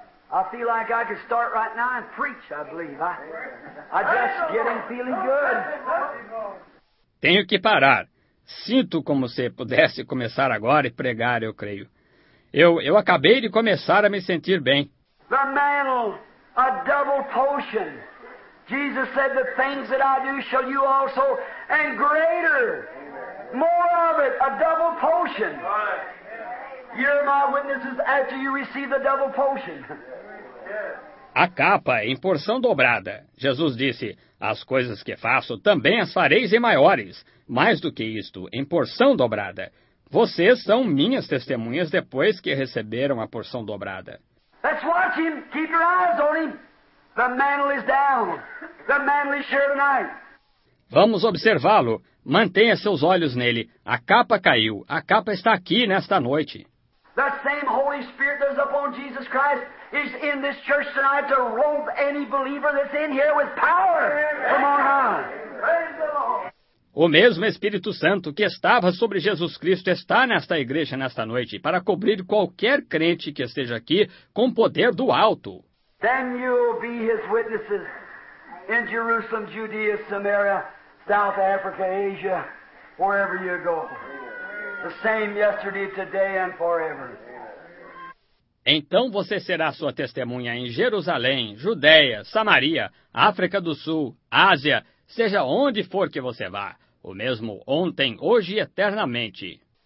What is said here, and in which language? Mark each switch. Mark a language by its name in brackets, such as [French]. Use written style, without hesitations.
[English] I feel like I could start right now and preach, I believe. I just getting feeling good. [Portuguese] Tenho que parar. Sinto como se pudesse começar agora e pregar, eu creio. Eu acabei de começar a me sentir bem. [English] The mantle, a double portion. Jesus said, the things that I do shall you also, and greater, more of it, a double portion. You're my witnesses after you receive the double portion. [Portuguese] A capa em porção dobrada. Jesus disse, as coisas que faço também as fareis em maiores. Mais do que isto, em porção dobrada. Vocês são minhas testemunhas depois que receberam a porção dobrada. [English] Let's watch him. Keep your eyes on him. The mantle is down. The mantle is here tonight. [Portuguese] Vamos observá-lo. Mantenha seus olhos nele. A capa caiu. A capa está aqui nesta noite. [English] The same Holy Spirit that is upon Jesus Christ is in this church tonight to robe any believer that's in here with power. Come on, huh? Praise the Lord. [Portuguese] O mesmo Espírito Santo que estava sobre Jesus Cristo está nesta igreja nesta noite para cobrir qualquer crente que esteja aqui com poder do alto. [English] Then you'll be his witnesses in Jerusalem, Judea, Samaria, South Africa, Asia, wherever you go. The same yesterday, today and forever. [Portuguese] Então você será sua testemunha em Jerusalém, Judeia, Samaria, África do Sul, Ásia, seja onde for que você vá. O mesmo ontem, hoje e eternamente.